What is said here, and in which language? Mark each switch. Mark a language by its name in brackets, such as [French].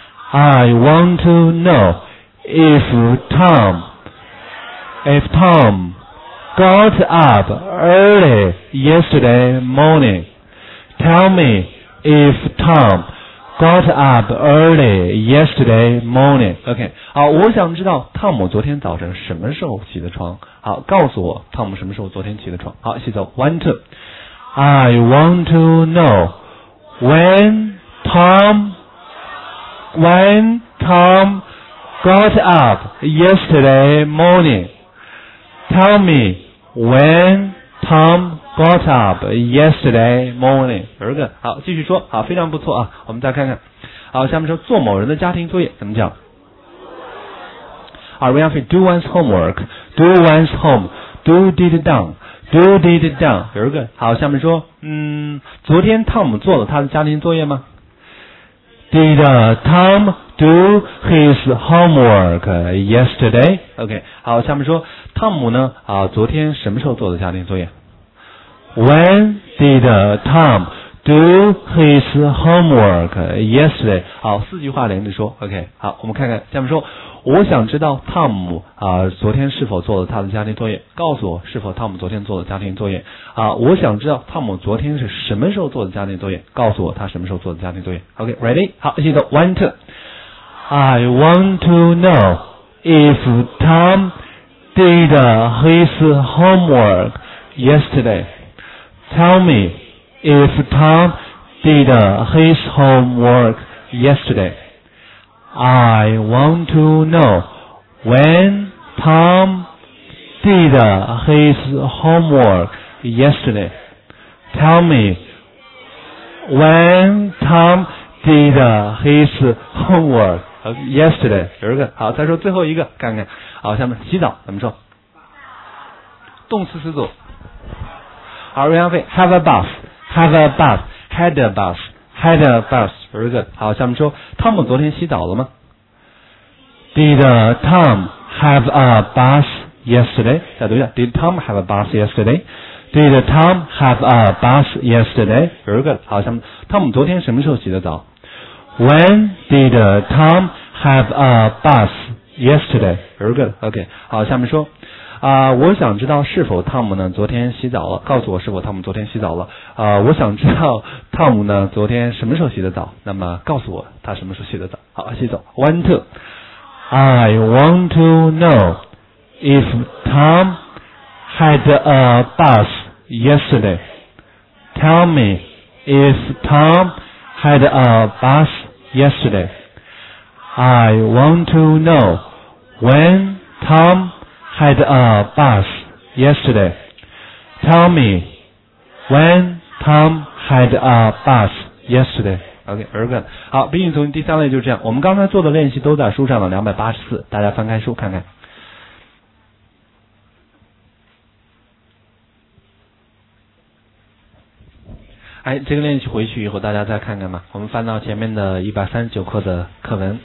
[English] I want to know if Tom got up early yesterday morning. Tell me if Tom got up early yesterday morning. [Chinese] OK， 好，我想知道汤姆昨天早晨什么时候起的床。好，告诉我汤姆什么时候昨天起的床。好，一起走 [English] one two。 I want to know when Tom got up yesterday morning. Tell me when Tom got up yesterday morning. [Chinese] 有一个，好，继续说。好，非常不错啊，我们再看看。好，下面说做某人的家庭作业怎么讲。 [English] Are we having do one's homework? Do one's home. Do did done. Do did done. [Chinese] 有一个，好，下面说，昨天 Tom 做了他的家庭作业吗？ [English] Did Tom do his homework yesterday? [Chinese] OK， 好，下面说 Tom 呢，啊，昨天什么时候做的家庭作业？ [English] When did Tom do his homework yesterday? [Chinese] 好，四句话连着说。 OK， 好，我们看看，下面说。我想知道汤姆啊、昨天是否做了他的家庭作业，告诉我是否汤姆昨天做了家庭作业。啊、我想知道汤姆昨天是什么时候做的家庭作业，告诉我他什么时候做的家庭作业。 [English] OK， ready？ [Chinese] 好，一起走 [English] ，one two。 I want to know if Tom did his homework yesterday. Tell me if Tom did his homework yesterday. I want to know when Tom did his homework yesterday. Tell me when Tom did his homework yesterday. [Chinese] 有一个，好，再说最后一个，看看。好，下面洗澡怎么说？动词词组。 [English] 好，瑞阳飞 ，have a bath, have a bath, had a bath, had a bath. [Chinese] 有一个，好，下面说，汤姆昨天洗澡了吗？ [English] Did Tom have a bath yesterday? [Chinese] 再读一下。 [English] Did Tom have a bath yesterday? Did Tom have a bath yesterday? Very good. [Chinese] 好，下面，汤姆昨天什么时候洗的澡？ [English] When did Tom have a bath yesterday? Very good. OK. [Chinese] 好，下面说，我想知道是否汤姆呢昨天洗澡了？告诉我是否汤姆昨天洗澡了？我想知道汤姆呢昨天什么时候洗的澡？那么告诉我他什么时候洗的澡？好，洗澡。 [English] One two. I want to know if Tom had a bath yesterday. Tell me if Tom had a bath yesterday. I want to know when Tom had a bath yesterday. Tell me when Tom had a bath yesterday. [Chinese] OK， 儿歌。好，宾语从第三类就是这样。我们刚才做的练习都在书上的284，大家翻开书看看。哎，这个练习回去以后大家再看看吧。我们翻到前面的139课的课文。